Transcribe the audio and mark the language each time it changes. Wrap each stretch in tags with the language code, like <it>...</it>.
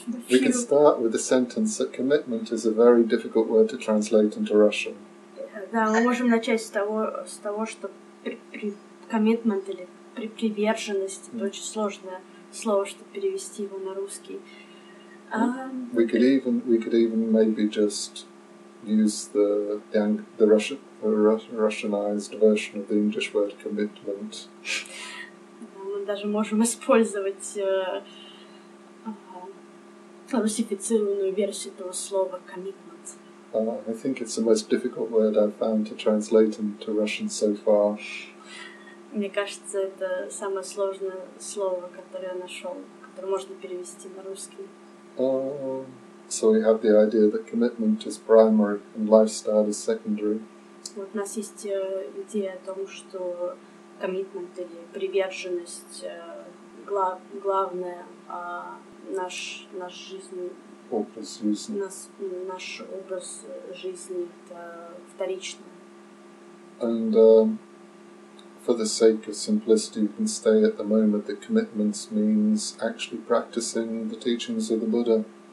<en>We can start with the sentence that commitment is a very difficult word to translate into Russian.</en> <ru>Да, мы можем начать с того, что commitment или приверженность это очень сложное слово, чтобы перевести его на русский.</ru> <en>We could even maybe just use the Russianized version of the English word commitment.</en> <ru>Мы даже можем использовать русифицированную версию этого слова commitment.</ru> <en>I think it's the most difficult word I've found to translate into Russian so far.</en> <ru>Мне кажется, это самое сложное слово, которое я нашел, которое можно перевести на русский.</ru> <en>So we have the idea that commitment is primary and lifestyle is secondary.</en> <ru>Вот у нас есть идея о том, что commitment или приверженность главное, а наш жизнь. Образ жизни. Наш образ жизни это вторичное.</ru> <en>And for the sake of simplicity, you can say at the moment that commitments means actually practicing the teachings of the Buddha.</en>